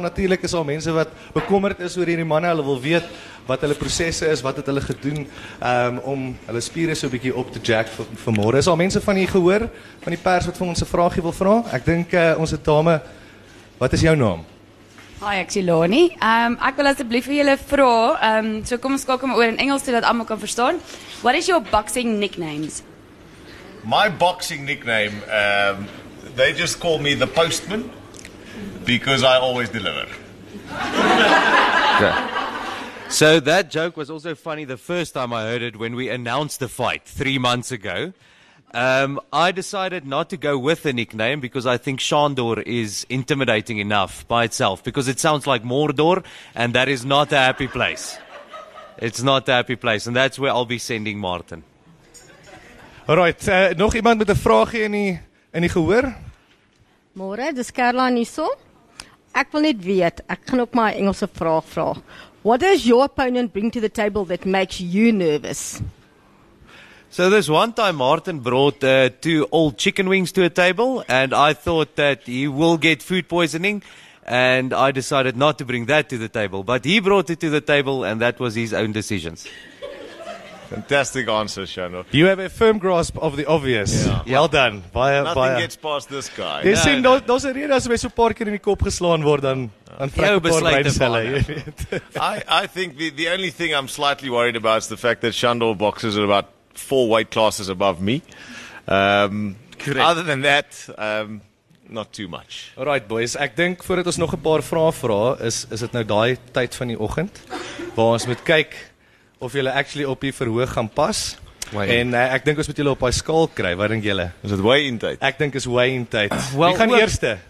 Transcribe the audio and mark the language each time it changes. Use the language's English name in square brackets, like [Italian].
[Afrikaans] Natuurlik is al mense wat bekommerd is oor hierdie manne. Hulle wil weet wat hulle prosesse is, wat het hulle gedoen om hulle spiere so 'n bietjie op te jack vir môre. Is al mense van hier gehoor van die pers wat vir ons 'n vraagie wil vra? Ek dink ons het dame, wat is jou naam? Hi, ek is Jelani. Ek wil asseblief vir julle vra, so kom ons skakel oor in Engels sodat almal kan verstaan. [English] What is your boxing nicknames? My boxing nickname, they just call me the postman because I always deliver. Okay. So that joke was also funny the first time I heard it when we announced the fight 3 months ago. I decided not to go with a nickname because I think Shandor is intimidating enough by itself, because it sounds like Mordor, and that is not a happy place. It's not a happy place, and that's where I'll be sending Martin. [Afrikaans] Right, nog iemand met 'n vraagie in die gehoor? Môre, dis Carla Niso. Ek wil net weet, ek gaan ook my Engelse vraag vra. [English] What does your opponent bring to the table that makes you nervous? So this one time Martin brought two old chicken wings to a table, and I thought that he will get food poisoning, and I decided not to bring that to the table. But he brought it to the table, and that was his own decisions. Fantastic answer, Shandor. You have a firm grasp of the obvious. Yeah. Well done. Nothing gets past this guy. [Afrikaans] Jy sien, daar's 'n rede as jy so 'n paar keer in die kop geslaan word, dan vrek 'n paar breinselle. [English] I think the only thing I'm slightly worried about is the fact that Shandor boxes at about 4 weight classes above me. Other than that, not too much. All right, boys. [Afrikaans] Ek dink voordat ons nog 'n paar vrae vra, is dit nou daai tyd van die oggend waar ons moet kyk of julle actually op hier verhoog gaan pas. En ek dink ons moet julle op daai skaal kry. Wat dink julle? Is dit weigh-in tyd? Ek dink is weigh-in tyd. Wie gaan eerste?